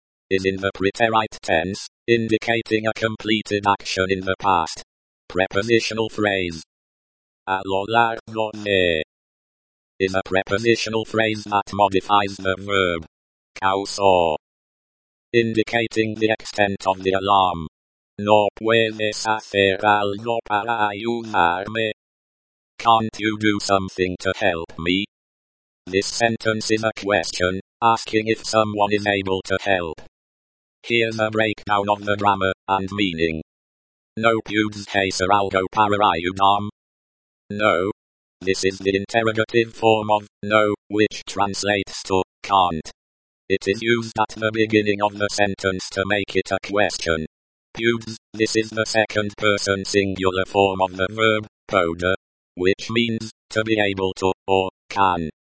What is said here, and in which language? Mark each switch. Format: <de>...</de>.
<en>Is in the preterite tense, indicating a completed action in the past. Prepositional phrase.</en> <es>A lo largo de.</es> <en>Is a prepositional phrase that modifies the verb. Causó. Indicating the extent of the alarm.</en> <es>No puedes hacer algo para ayudarme.</es> <en>Can't you do something to help me? This sentence is a question, asking if someone is able to help. Here's a breakdown of the grammar and meaning.</en> <es>No puedes hacer algo para ayudarme. No.</es> <en>This is the interrogative form of no, which translates to can't. It is used at the beginning of the sentence to make it a question. Puedes, this is the second person singular form of the verb, poder, which means to be able to, or can.</en>